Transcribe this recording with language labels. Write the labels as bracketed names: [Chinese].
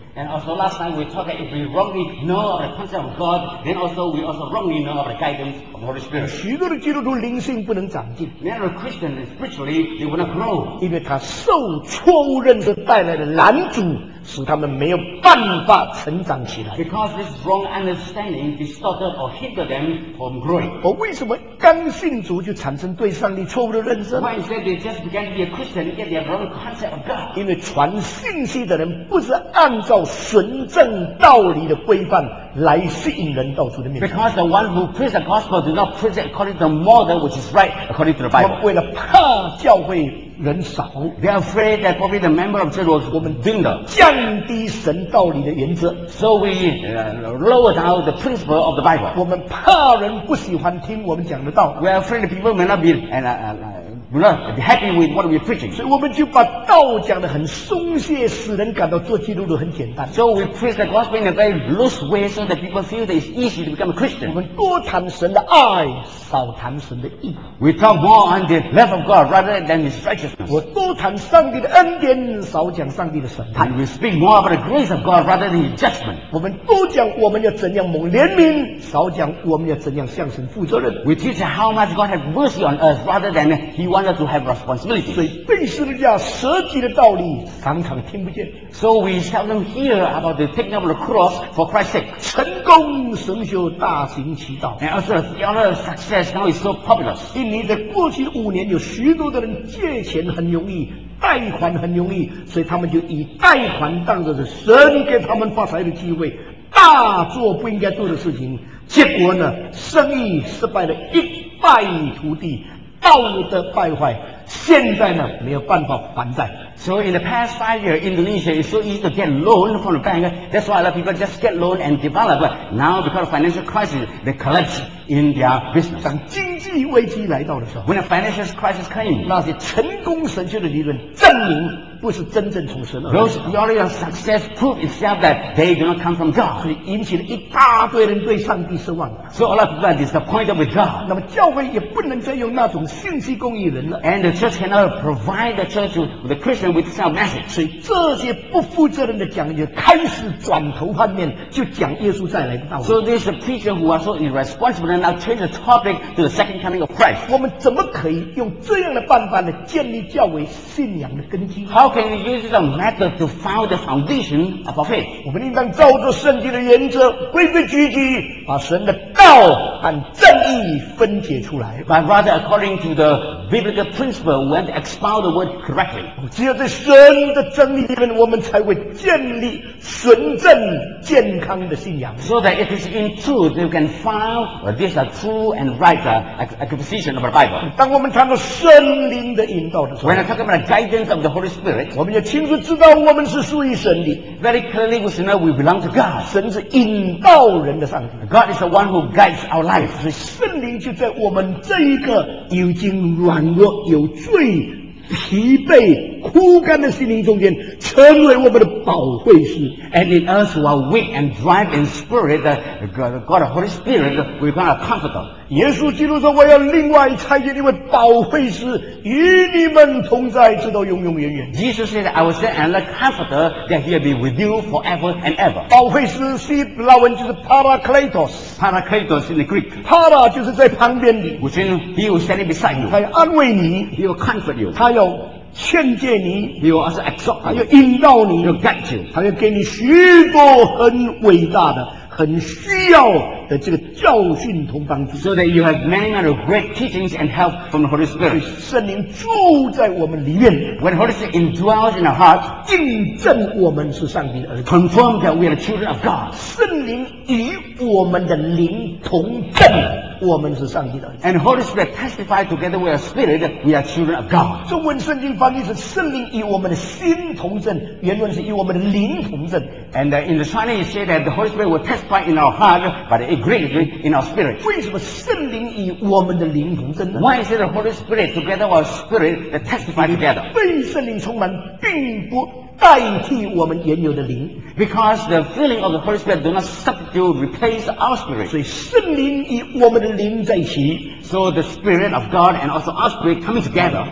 [English] And also last time we talked that if we wrongly know the concept of God, then also we also wrongly know the guidance of the Holy Spirit. [Chinese] 许多的基督徒灵性不能长进。 [English] Many Christians spiritually they will not grow. [Chinese] 因为他受错误认识带来的拦阻，使他们没有办法成长起来。 [English] Because this wrong understanding distorted or hindered them from growing. [Chinese] 我为什么刚信主就产生对上帝错误的认识 [English] ？Why is that they just began to be a Christian get their wrong concept of God? [Chinese] 因为传信息的人不是按照纯正道理的规范来吸引人到主的面前。 [English] Because the one who preaches the gospel does not preach according to the model which is right according to the Bible. [Chinese] 为了怕教会人少。 [English] They are afraid that probably the member of church was [Chinese] 我们定的降低神道理的原则。 [English] So we lower down the principle of the Bible. [Chinese] 我们怕人不喜欢听我们讲的道。 [English] We are afraid the people may not be not happy with what we are preaching. [Chinese] 所以我们就把道讲得很松懈，使人感到做基督徒很简单。 [English] So we preach the gospel in a very loose way, so that people feel that it's easy to become a Christian. [Chinese] 我们多谈神的爱，少谈神的义。 [English] We talk more on the love of God rather than His righteousness. [Chinese] 我多谈上帝的恩典，少讲上帝的审判。 [English] And we speak more about the grace of God rather than His judgment. [Chinese] 我们多讲我们要怎样蒙怜悯，少讲我们要怎样向神负责任。 [English] We teach how much God has mercy on us rather than He wants us to have responsibility. [Chinese] 所以被十字架舍己的道理常常听不见。 [English] So we seldom hear about the taking up the cross for Christ's sake. [Chinese] 成功神学大行其道。 [English] And also the other success now is so popular. [Chinese] 印尼在过去五年有许多的人借钱很容易，贷款很容易，所以他们就以贷款当作是神给他们发财的机会，大做不应该做的事情，结果呢生意失败了一败涂地，道德败坏，现在呢没有办法还债。 [English] So in the past 5 years, Indonesia is so easy to get loan from the bank. That's why a lot of people just get loan and develop. But now because of financial crisis, they collapse in their business. [Chinese] 当经济危机来到的时候 [English] ，When a financial crisis came, [Chinese] 那些成功神学的理论证明不是真正从神而来。 [English] Those theories of success prove itself that they do not come from God. [Chinese] 所以引起了一大堆人对上帝失望。 [English] So a lot of people are disappointed with God. [Chinese] 那么教会也不能再用那种信息供应人了。 [English] And the church cannot provide the church with the Christian. [Chinese] 所以这些不负责任的讲员开始转头换面，就讲耶稣再来的道理。 [English] So these preachers who are so irresponsible now change the topic to the second coming of Christ. [Chinese] 我们怎么可以用这样的办法来建立教会信仰的根基 [English] ？How can we use this method to found the foundation of our faith? [Chinese] 我们应当照着圣经的原则，规规矩矩把神的道和正义分解出来。 [English] But rather according to the biblical principle, we have to expound the word correctly. [Chinese] 只有在神的真理里面，我们才会建立纯正健康的信仰。 [English] So that it is in truth, you can find this a true and right acquisition of the Bible. [Chinese] 当我们谈到圣灵的引导的时候 [English] ，When I talk about the guidance of the Holy Spirit, [Chinese] 我们要清楚知道我们是属于神的。 [English] Very clearly, we know we belong to God. [Chinese] 神是引导人的上帝。 [English] God is the one who guides our life. [Chinese] 所以圣灵就在我们这一个已经软弱有罪。疲惫枯干的心灵中间成为我们的保惠师。 [English] And in us who are weak and dry in spirit, God the Holy Spirit will become a comforter. [Chinese] 耶稣基督说我要另外差遣一位保惠师与你们同在直到永永远远。 [English] Jesus said, I will send another comforter that he will be with you forever and ever. [Chinese] 保惠师希腊文就是 Parakletos. [English] Parakletos in the Greek. [Chinese] Para 就是在旁边的。 [English] Which means he will stand beside you. [Chinese] 他要安慰你。 [English] He will comfort you. [Chinese] 他要劝诫你，你要是 exhort，他要引导你， [English] 要 guide you， [Chinese] 他要给你许多很伟大的、很需要的这个教训同帮助。 [English] So that you have many other great teachings and help from the Holy Spirit。 [Chinese] 圣灵住在我们里面 [English] ，When Holy Spirit indwells in our heart， [Chinese] 印证我们是上帝的儿子 [English] ，Confirm that we are the children of God。 [Chinese] 圣灵与我们的灵同证。我们是上帝的。 [English] And Holy Spirit testified together with our spirit that we are children of God. [Chinese] 中文圣经翻译是圣灵与我们的心同证，原文是与我们的灵同证。 [English] And in the Chinese, it says that the Holy Spirit will testify in our heart, but it agrees in our spirit. [Chinese] 为什么圣灵与我们的灵同证呢 [English] ？Why is it the Holy Spirit together with our spirit that testify together? [Chinese] 被圣灵充满并不代替我们原有的灵。 [English] Because the filling of the Holy Spirit do not substitute, replace our spirit. [Chinese] 所以圣灵与我们的灵在一起。 [English] So the Spirit of God and also our spirit coming together.